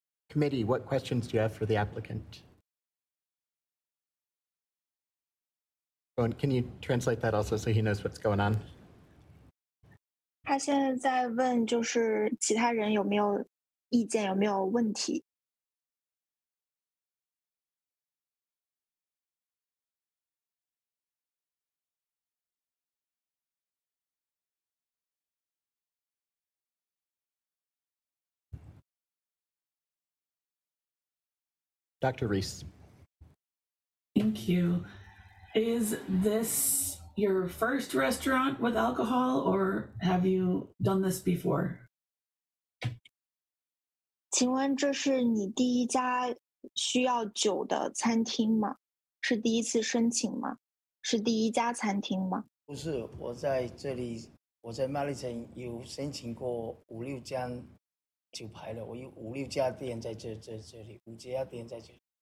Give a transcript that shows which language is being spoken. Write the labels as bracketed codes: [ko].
[en] Committee, what questions do you have for the applicant? And can you translate that also so he knows what's going on? [zh] 他现在在问就是其他人有没有意见，有没有问题。 [en] Dr. Reese. Thank you. Is this your first restaurant with alcohol, or have you done this before? [zh] 请问这是你第一家需要酒的餐厅吗？是第一次申请吗？是第一家餐厅吗？不是，我在这里，我在麦利城有申请过五六家酒牌了，我有五六家店在这里，五家店在这里。